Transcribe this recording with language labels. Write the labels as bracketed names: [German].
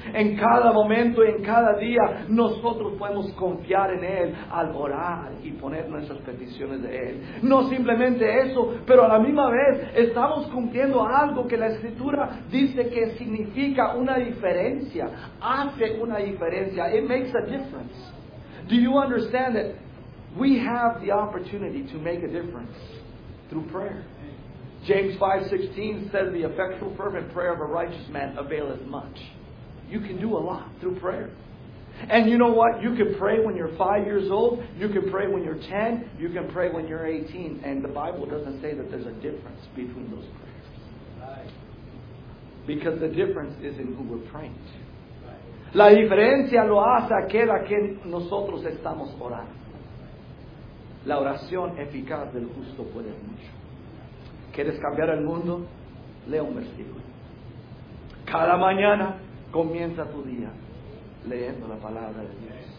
[Spanish] En cada momento, en cada día, nosotros podemos confiar en Él al orar y poner nuestras peticiones de Él. No simplemente eso, pero a la misma vez estamos cumpliendo algo que la Escritura dice que significa una diferencia. Hace una diferencia. [English] It makes a difference. Do you understand that we have the opportunity to make a difference through prayer? James 5:16 says, "The effectual, fervent prayer of a righteous man availeth much." You can do a lot through prayer. And you know what? You can pray when you're 5 years old. You can pray when you're 10. You can pray when you're 18. And the Bible doesn't say that there's a difference between those prayers. Because the difference is in who we're praying to. [Spanish] La diferencia lo hace aquel a quien nosotros estamos orando. La oración eficaz del justo puede mucho. ¿Quieres cambiar el mundo? Lea un versículo. Cada mañana comienza tu día leyendo la palabra de Dios.